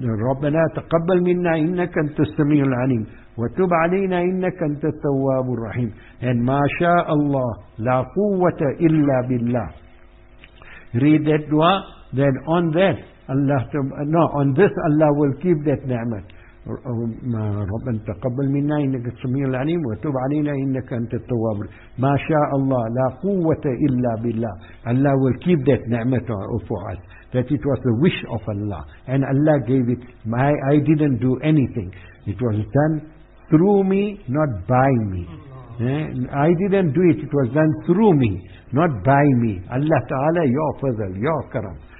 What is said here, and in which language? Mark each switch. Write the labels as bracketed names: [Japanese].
[Arabic] ربنا تقبل منا إنك أنت السميع العليم، وتب علينا إنك أنت التواب الرحيم. إن ما شاء الله لا قوة إلا بالله. [English] Read that dua, then on that Allah, no, on this Allah will keep that ni'mat. [Arabic] ربنا تقبل منا إنك السميع العليم وتب علينا إنك أنت التواب. ما شاء الله لا قوة إلا بالله. [English] Allah will keep that ni'mat for us. That it was the wish of Allah and Allah gave it. I didn't do anything. It was done through me, not by me. I didn't do it. It was done through me, not by me. Allah Ta'ala, your fazal, your karam.